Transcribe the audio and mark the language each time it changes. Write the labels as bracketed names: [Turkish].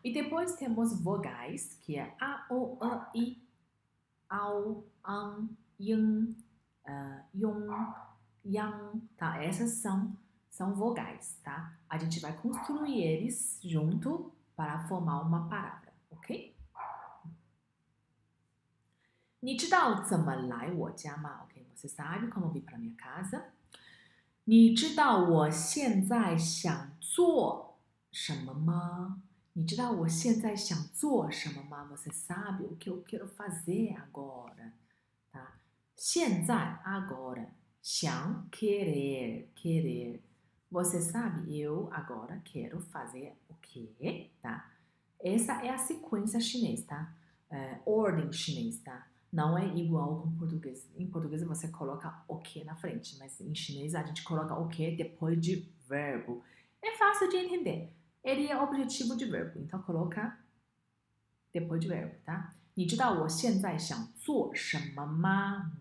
[Portuguese] E depois temos vogais, que é a, o, a, i, ao, an, yin, yong, yang, tá? Essas são vogais, tá? A gente vai construir eles junto para formar uma palavra, ok? [Chinese] 你知道怎么来我家吗？ [Portuguese] OK，você sabe como vir para minha casa？ [Chinese] 你知道我现在想做什么吗？你知道我现在想做什么吗？ [Portuguese] Você sabe o que eu quero fazer agora？啊，现在 agora，想 querer，você sabe eu agora quero fazer o quê？ Tá？ Essa é a sequência chinesa，tá？ Ordem chinesa，tá？ Não é igual com português. Em português você coloca o quê na frente, mas em chinês a gente coloca o quê depois de verbo. É fácil de entender. Ele é objetivo de verbo, então coloca depois de verbo, tá? [Chinese] 你知道我现在想做什么吗?